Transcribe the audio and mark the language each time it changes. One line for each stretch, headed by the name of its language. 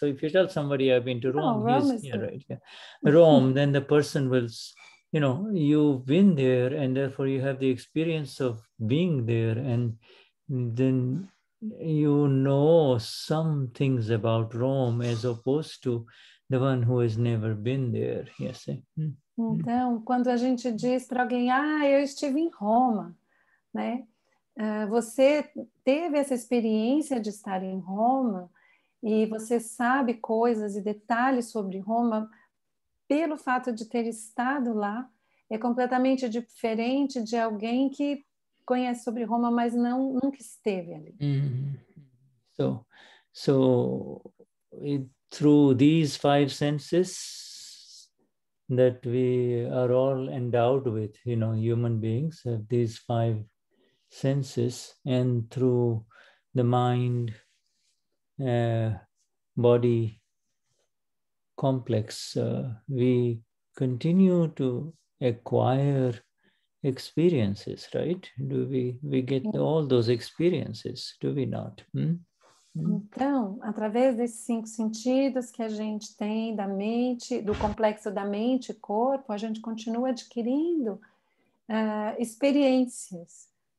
English: So if you tell somebody I've been to Rome, Rome, then the person will, you've been there and therefore you have the experience of being there. And then you know some things about Rome as opposed to the one who has never been there. Yes.
Portuguese: Então, quando a gente diz para alguém, eu estive em Roma, né? Você teve essa experiência de estar em Roma e você sabe coisas e detalhes sobre Roma pelo fato de ter estado lá, é completamente diferente de alguém que conhece sobre Roma, mas nunca esteve ali. Mm-hmm.
English: So, through these five senses that we are all endowed with, human beings have these five senses, and through the mind body complex we continue to acquire experiences, right? Do we get all those experiences, do we not?
Portuguese: Então, através desses cinco sentidos que a gente tem da mente, do complexo da mente e corpo, a gente continua adquirindo experiências.